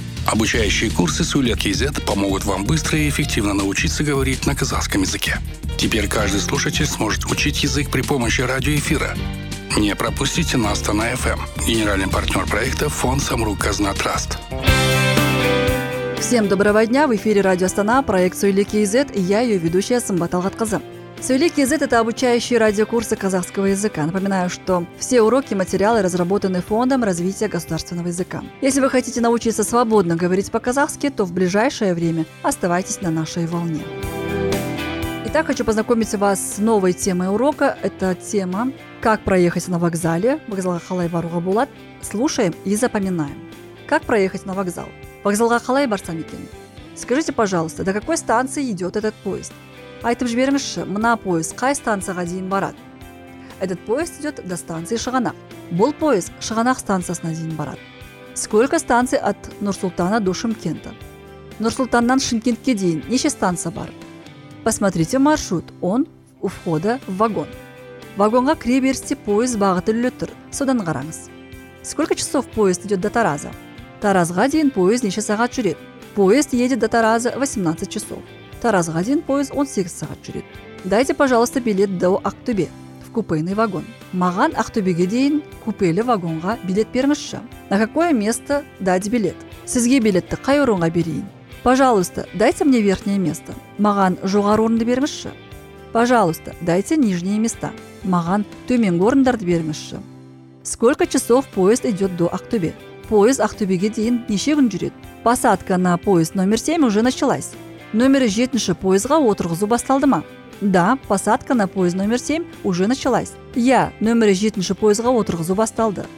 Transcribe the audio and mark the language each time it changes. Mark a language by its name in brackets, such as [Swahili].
[Russian] Обучающие курсы Сулет.кз помогут вам быстро и эффективно научиться говорить на казахском языке. Теперь каждый слушатель сможет учить язык при помощи радиоэфира. Не пропустите нас на FM. Генеральный партнер проекта – фонд «Самрук Казна Траст». Всем доброго дня! В эфире радио «Астана», проект Сулет.кз и я, ее ведущая Сымбат Алгатқызы. Сулет.кз – это обучающие радиокурсы казахского языка. Напоминаю, что все уроки и материалы разработаны Фондом развития государственного языка. Если вы хотите научиться свободно говорить по-казахски, то в ближайшее время оставайтесь на нашей волне. Итак, хочу познакомить вас с новой темой урока. Это тема «Как проехать на вокзале». Вокзал Ахалай Баруга Булат. Слушаем и запоминаем. Как проехать на вокзал? Вокзал Ахалай Барсамикен. Скажите, пожалуйста, до какой станции идет этот поезд? [Kazakh] Айтып жіберіңізші, мына поезд қай станцияға дейін барады? [Russian] Этот поезд идет до станции Шығанақ. [Kazakh] Бұл поезд Шығанақ станциясына дейін барады. [Russian] Сколько станций от Нур-Султана до Шымкента? [Kazakh] Нур-Султаннан Шымкентке дейін неше станция бар? [Russian] Посмотрите маршрут, он у входа в вагон. [Kazakh] Вагонға кіре берісте поезд бағыты үлі тұр, содан қараңыз. [Russian] Сколько часов поезд идет до Тараза? [Kazakh] Таразға дейін поезд неше сағат жүреді? [Russian] Поезд едет до Тараза 18 часов. [Kazakh] Таразға дейін поезд 18 сағат жүреді. [Russian] Дайте, пожалуйста, билет до Ақтөбе, в купейный вагон. [Kazakh] Маған Ақтөбеге дейін купейлі вагонға билет беріңізші. [Russian] На какое место дать билет? [Kazakh] Сізге билетті қай орынға берейін? [Russian] Пожалуйста, дайте мне верхнее место. [Kazakh] Маған жоғары орынды беріңізші. [Russian] Пожалуйста, дайте нижние места. [Kazakh] Маған төменгі орындарды беріңізші. [Russian] Сколько часов поезд идет до Ақтөбе? [Kazakh] Поезд Ақтөбеге дейін неше күн жүреді? [Russian] Посадка на поезд номер 7 уже началась. [Kazakh] Номер 7-ші поезға отырғызу басталды ма? [Russian] Да, посадка на поезд номер 7 уже началась. [Kazakh] Я, номер 7-ші поезға отырғызу басталды.